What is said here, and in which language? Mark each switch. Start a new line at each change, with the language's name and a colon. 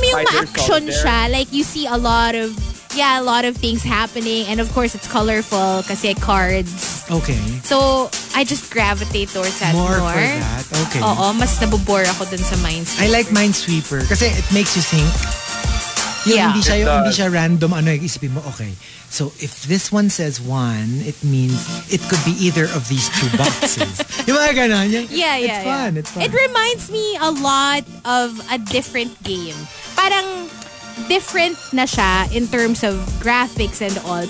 Filipino: mo yung ma-action siya.
English: Like, you see a lot of things happening. And of course, it's colorful kasi cards. Okay. So, I just gravitate towards that more. For that, okay.
Filipino: Oo, mas nabobore ako dun sa Minesweeper.
English: I like Minesweeper kasi it makes you think.
Filipino: Hindi siya random, ano yung isipin mo, okay.
English: So, if this one says one, it means it could be either of these two boxes.
Filipino: Yung mga ganon,
English: yeah, it's fun, It reminds me a lot of a different game. Parang different na siya in terms of graphics and all.